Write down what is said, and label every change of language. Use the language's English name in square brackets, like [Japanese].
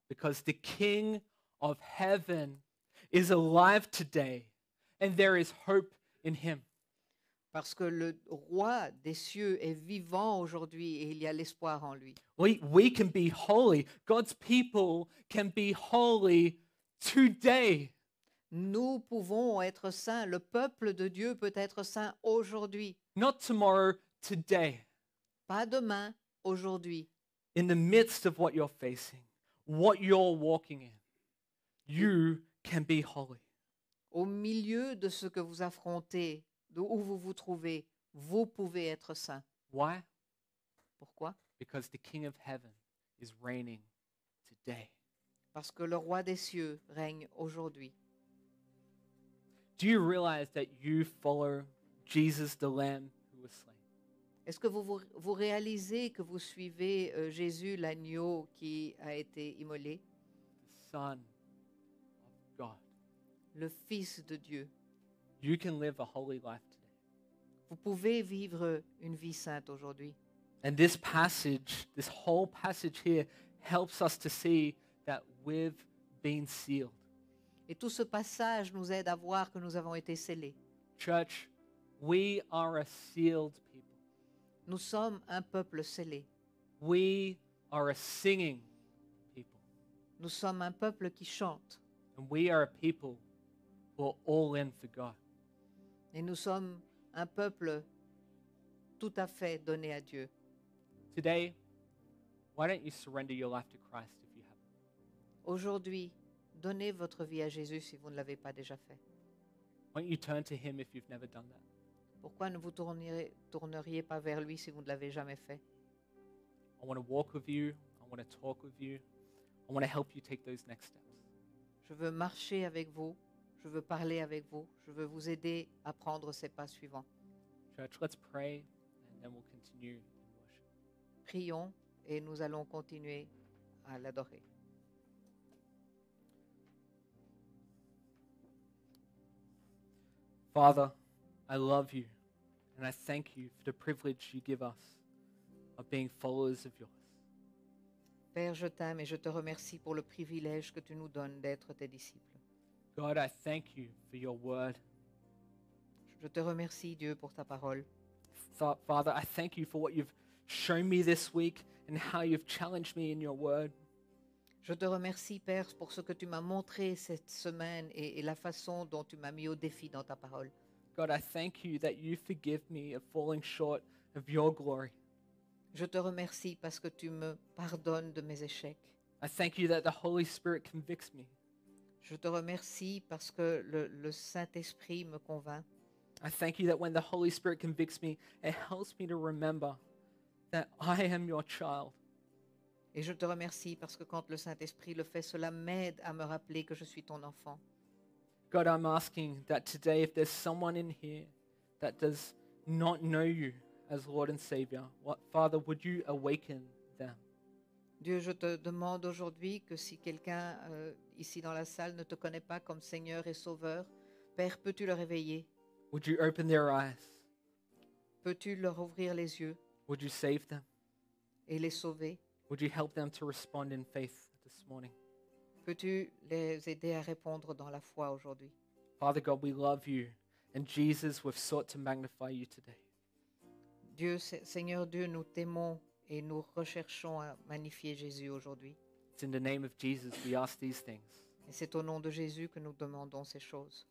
[English] Because the king of heaven is alive today, and there is hope in him. [French] Parce que le roi des cieux est vivant aujourd'hui et il y a l'espoir en lui. [English] We can be holy. God's people can be holy today. [French] Nous pouvons être saints. Le peuple de Dieu peut être saint aujourd'hui. [English] Not tomorrow, today. [French] Pas demain, aujourd'hui. [English] In the midst of what you're facing, what you're walking in, you can be holy. [French] Au milieu de ce que vous affrontez, d'où vous vous trouvez, vous pouvez être saint. [English] Why? [French] Pourquoi? [English] Because the King of Heaven is reigning today. [French] Parce que le roi des cieux règne aujourd'hui. [English] Do you realize that you follow Jesus the Lamb who was slain? [French] Est-ce que vous réalisez que vous suivez Jésus l'agneau qui a été immolé? [English] The Son of God. [French] Le Fils de Dieu. [English] You can live a holy life today. [French] Vous pouvez vivre une vie sainte aujourd'hui. [English] And this passage, this whole passage here, helps us to see that we've been sealed. [French] Et tout ce passage nous aide à voir que nous avons été scellés. [English] Church, we are a sealed people. [French] Nous sommes un peuple scellé. [English] We are a singing people. [French] Nous sommes un peuple qui chante. [English] And we are a people who are all in for God. [French] Et nous sommes un peuple tout à fait donné à Dieu. [English] Today, why don't you surrender your life to Christ if you haven't? [French] Aujourd'hui, donnez votre vie à Jésus si vous ne l'avez pas déjà fait. [English] Why don't you turn to him if you've never done that? [French] Pourquoi ne vous tourneriez pas vers lui si vous ne l'avez jamais fait? [English] I want to walk with you. I want to talk with you. I want to help you take those next steps. [French] Je veux marcher avec vous. Je veux parler avec vous. Je veux vous aider à prendre ces pas suivants. [English] Church, let's pray and then we'll continue in worship. [French] Prions et nous allons continuer à l'adorer. [English] Father, I love you and I thank you for the privilege you give us of being followers of yours. [French] Père, je t'aime et je te remercie pour le privilège que tu nous donnes d'être tes disciples. [English] God, I thank you for your word. [French] Je te remercie, Dieu, pour ta parole. [English] Father, I thank you for what you've shown me this week and how you've challenged me in your word. [French] Je te remercie, Père, pour ce que tu m'as montré cette semaine et la façon dont tu m'as mis au défi dans ta parole. [English] God, I thank you that you forgive me of falling short of your glory. [French] Je te remercie parce que tu me pardonnes de mes échecs. [English] I thank you that the Holy Spirit convicts me. [French] Je te remercie parce que le Saint-Esprit me convainc. [English] I thank you that when the Holy Spirit convicts me, it helps me to remember that I am your child. [French] Et je te remercie parce que quand le Saint-Esprit le fait, cela m'aide à me rappeler que je suis ton enfant. [English] God, I'm asking that today, if there's someone in here that does not know you as Lord and Savior, what, Father, would you awaken them? [French] Dieu, je te demande aujourd'hui que si quelqu'un ici dans la salle ne te connaît pas comme Seigneur et Sauveur, Père, peux-tu le réveiller? [English] Would you open their eyes? [French] Peux-tu leur ouvrir les yeux? [English] Would you save them? [French] Et les sauver? [English] Would you help them to respond in faith this morning? [French] Peux-tu les aider à répondre dans la foi aujourd'hui? [English] Father God, we love you, and Jesus, we've sought to magnify you today. [French] Dieu, Seigneur Dieu, nous t'aimons. Et nous recherchons à magnifier Jésus aujourd'hui. [English] It's in the name of Jesus we ask these things. [French] Et c'est au nom de Jésus que nous demandons ces choses.